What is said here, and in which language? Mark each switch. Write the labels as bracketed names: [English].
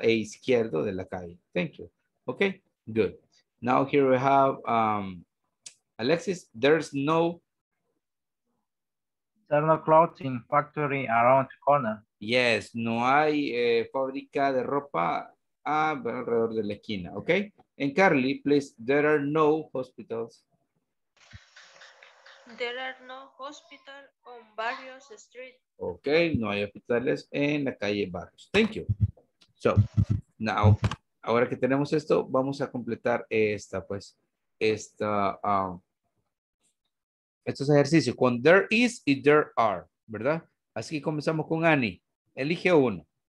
[Spanish] E izquierdo de la calle. [English] Thank you. Okay, good. Now here we have Alexis. There's no clothing factory around the corner. [Spanish] Yes, no hay fábrica de ropa alrededor de la esquina. [English] Okay. And Carly, please, there are no hospitals. There are no hospitals on Barrios Street. [Spanish] Okay, no hay hospitales en la calle Barrios. [English] Thank you. So, now, [Spanish] ahora que tenemos esto, vamos a completar esta, pues, esta, estos ejercicios. Con there is y there are, ¿verdad? Así que comenzamos con Annie. Elige uno.